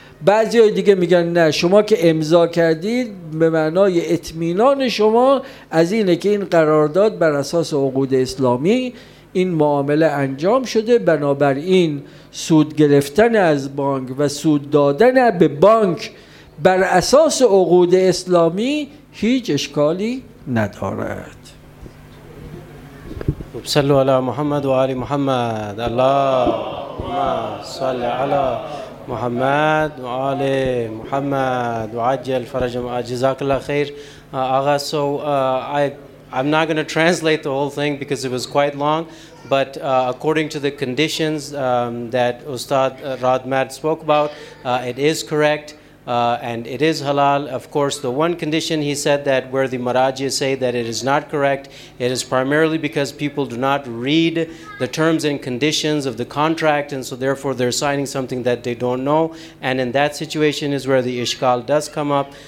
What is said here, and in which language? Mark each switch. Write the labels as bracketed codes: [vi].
[fa] بعضی های دیگه میگن نه، شما که امضا کردید به معنای اطمینان شما از اینه که این قرارداد بر اساس عقود اسلامی این معامله انجام شده، بنابراین سود گرفتن از بانک و سود دادن به بانک بر اساس عقود اسلامی هیچ اشکالی ندارد. [ar] خب صلوا علی محمد و علی محمد. اللهم صل علی محمد و آل محمد وعجل فرجهم. جزاك الله خير آغا. [en] So I'm not going to translate the whole thing because it was quite long, but according to the conditions that Ustad Radmad spoke about, it is correct and it is halal. Of course, the one condition he said that where the maraji say that it is not correct, it is primarily because people do not read the terms and conditions of the contract, and so therefore they're signing something that they don't know, and in that situation is where the ishkal does come up.